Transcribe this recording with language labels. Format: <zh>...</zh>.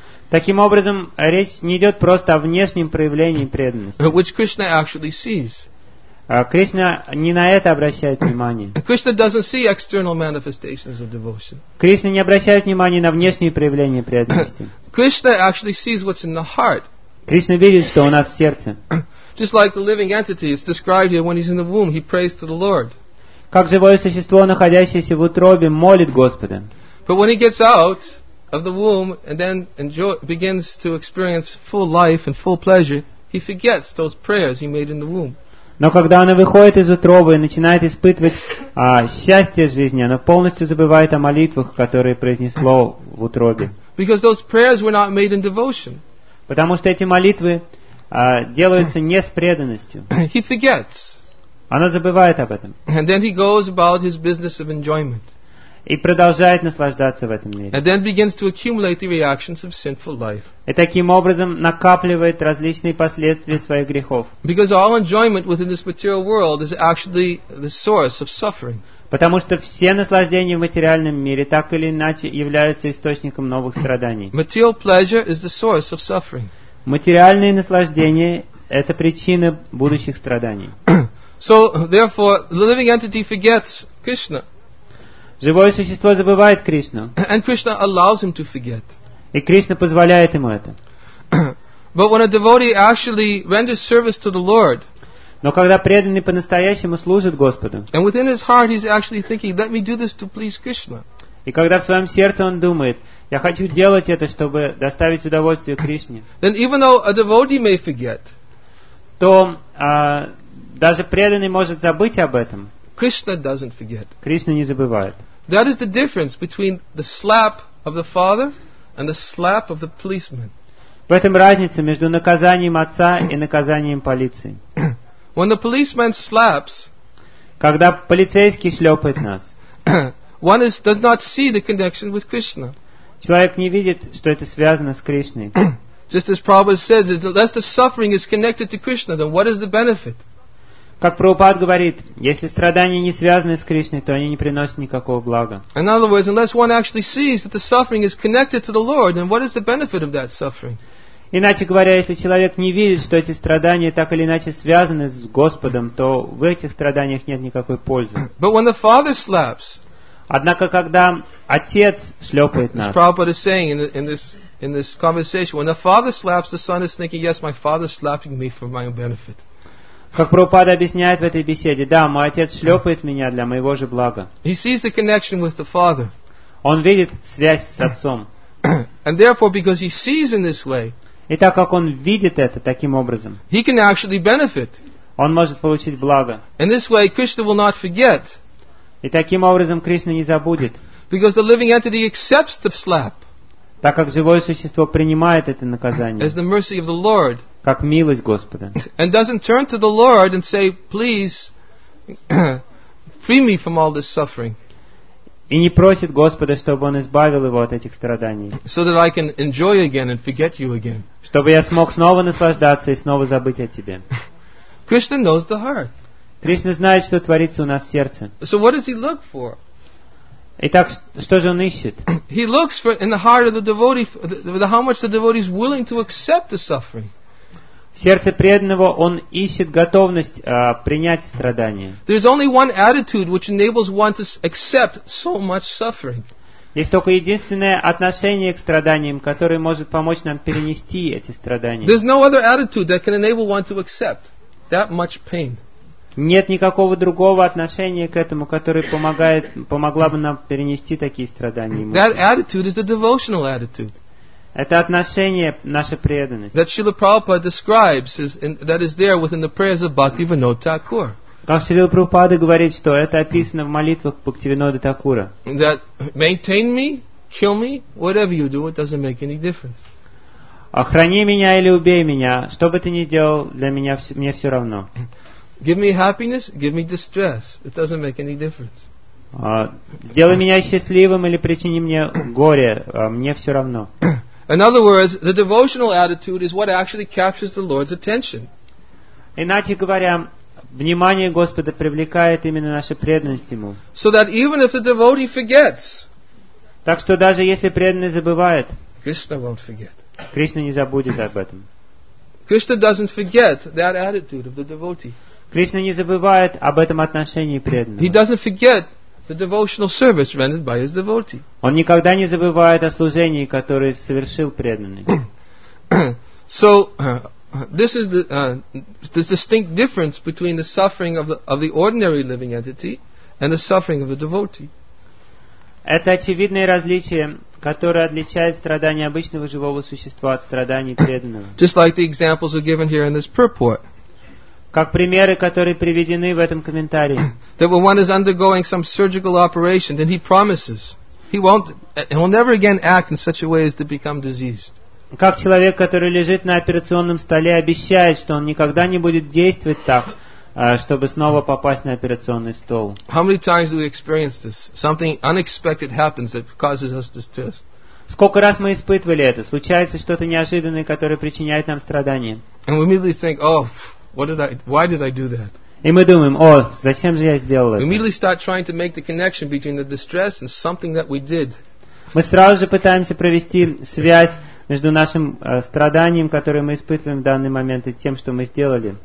<ru>Таким образом, речь не идет просто о внешнем проявлении преданности.</ru> <en>Which Krishna actually sees.</en> <ru>Кришна не на это обращает внимание.</ru> <en>Krishna doesn't see external manifestations of devotion.</en> <ru>Кришна не обращает внимания на внешние проявления преданности.</ru> <en>Krishna actually sees what's in the heart.</en> <ru>Кришна видит, что у нас в сердце.</ru> <en>Just like the living entity is described here when he's in the womb, he prays to the Lord.</en> <ru>Как живое существо, находящееся в утробе, молит Господа.</ru> <en>But when he gets out of the womb and then begins to experience full life and full pleasure, he forgets those prayers he made in the womb.</en> <ru>Но когда оно выходит из утробы и начинает испытывать счастье жизни, оно полностью забывает о молитвах, которые произнесло в утробе.</ru> <en>Because those prayers were not made in devotion.</en> <ru>Потому что эти молитвы делаются не с преданностью.</ru> <en>He forgets.</en> <ru>Оно забывает об этом.</ru> <en>And then he goes about his business of enjoyment.</en> <ru>И продолжает наслаждаться в этом мире.</ru> <en>And then begins to accumulate the reactions of sinful life.</en> <ru>И таким образом накапливает различные последствия своих грехов.</ru> <en>Because all enjoyment within this material world is actually the source of suffering.</en> <ru>Потому что все наслаждения в материальном мире так или иначе являются источником новых страданий.</ru> <en>Material pleasure is the source of suffering.</en> <ru>Материальные наслаждения – это причина будущих страданий.</ru> <en>So, therefore, the living entity forgets Krishna.</en> <ru>Живое существо забывает Кришну.</ru> <en>And Krishna allows him to forget.</en> <ru>И Кришна позволяет ему это.</ru> <en>But when a devotee actually renders service to the Lord,</en> <ru>но когда преданный по-настоящему служит Господу,</ru> <en>and within his heart he's actually thinking, let me do this to please Krishna.</en> <ru>И когда в своем сердце он думает, я хочу делать это, чтобы доставить удовольствие Кришне,</ru> <en>then even though a devotee may forget,</en> <ru>то даже преданный может забыть об этом.</ru> <en>Krishna doesn't forget.</en> <ru>Кришна не забывает.</ru> <en>That is the difference between the slap of the father and the slap of the policeman.</en> <ru>В этом разница между наказанием отца и наказанием полиции.</ru> <en>When the policeman slaps,</en> <ru>когда полицейский шлепает нас,</ru> <en>One is, does not see the connection with Krishna.</en> <ru>Человек не видит, что это связано с Кришной.</ru> <en>Just as Prabhupada says, unless the suffering is connected to Krishna, then what is the benefit?</en> <ru>Как Прабхупад говорит, если страдания не связаны с Кришной, то они не приносят никакого блага.</ru> <en>In other words, unless one actually sees that the suffering is connected to the Lord, then what is the benefit of that suffering?</en> <ru>Иначе говоря, если человек не видит, что эти страдания так или иначе связаны с Господом, то в этих страданиях нет никакой пользы.</ru> <en>But when the father slaps,</en> <ru>однако, когда отец шлепает нас,</ru> <en>as Prabhupada is saying in this conversation, when the father slaps, the son is thinking, yes, my father is slapping me for my own benefit.</en> <ru>Как Прабхупада объясняет в этой беседе, да, мой отец шлепает меня для моего же блага.</ru> <en>He sees the connection with the father.</en> <ru>Он видит связь с отцом.</ru> <en>And therefore, because he sees in this way,</en> <ru>и так как он видит это таким образом,</ru> <en>he can actually benefit.</en> <ru>Он может получить благо.</ru> <en>In this way, Krishna will not forget.</en> <ru>И таким образом Кришна не забудет.</ru> <en>Because the living entity accepts the slap.</en> <ru>Так как живое существо принимает это наказание.</ru> <en>As the mercy of the Lord.</en> <ru>Как милость Господа.</ru> <en>And doesn't turn to the Lord and say, please, free me from all this suffering.</en> <ru>И не просит Господа, чтобы Он избавил его от этих страданий.</ru> <en>So that I can enjoy again and forget you again.</en> <ru>Чтобы я смог снова наслаждаться и снова забыть о тебе.</ru> <en>Krishna knows the heart.</en> <ru>Кришна знает, что творится у нас в сердце.</ru> <en>So what does he look for?</en> <ru>Итак, что же он ищет?</ru> <en>He looks for in the heart of the devotee how much the devotee is willing to accept the suffering.</en> <ru>В сердце преданного он ищет готовность принять страдания.</ru> <en>There is only one attitude which enables one to accept so much suffering.</en> <ru>Есть только единственное отношение к страданиям, которое может помочь нам перенести эти страдания.</ru> <en>There is no other attitude that can enable one to accept that much pain.</en> <ru>Нет никакого другого отношения к этому, которое помогла бы нам перенести такие страдания.</ru> <en>That attitude is a devotional attitude.</en> <ru>Это отношение, наша преданность.</ru> <en>That Srila Prabhupada describes that is there within the prayers of Bhaktivinoda Thakur.</en> <ru>Как Srila Prabhupada говорит, что это описано в молитвах Бхактивинода Такура.</ru> <en>That maintain me, kill me, whatever you do, it doesn't make any difference.</en> <ru>Охрани меня или убей меня, что бы ты ни делал, для меня мне все равно.</ru> <en>Give me happiness, give me distress. It doesn't make any difference.</en> <ru>Сделай меня счастливым или причини мне горе, мне все равно.</ru> <en>In other words, the devotional attitude is what actually captures the Lord's attention.</en> <ru>Иначе говоря, внимание Господа привлекает именно наша преданность Ему.</ru> <en>So that even if the devotee forgets,</en> <ru>так что даже если преданный забывает,</ru> <en>Krishna won't forget.</en> <ru>Кришна не забудет об этом.</ru> <en>Krishna doesn't forget that attitude of the devotee.</en> <ru>Кришна не забывает об этом отношении преданного.</ru> <en>He doesn't forget the devotional service rendered by his devotee.</en> <ru>Он никогда не забывает о служении, которое совершил преданный.</ru> <en>So this is the distinct difference between the suffering of the ordinary living entity and the suffering of the devotee.</en> <ru>Это очевидное различие, которое отличает страдания обычного живого существа от страданий преданного.</ru> <en>Just like the examples are given here in this purport.</en> <ru>Как примеры, которые приведены в этом комментарии.</ru> <en>That when one is undergoing some surgical operation, then he promises he will never again act in such a way as to become diseased.</en> <ru>Как человек, который лежит на операционном столе, обещает, что он никогда не будет действовать так, чтобы снова попасть на операционный стол.</ru> <en>How many times do we experience this? Something unexpected happens that causes us distress.</en> <ru>Сколько раз мы испытывали это? Случается что-то неожиданное, которое причиняет нам страдания.</ru> <en>And we immediately think, oh. Why did I do that?</en> <ru>И мы думаем, о, зачем же я сделал это?</ru> <en>We immediately start trying to make the connection between the distress and something that we did.</en> <ru>Мы сразу же пытаемся провести связь между нашим страданием, которое мы испытываем в данный момент, и тем, что мы сделали.</ru>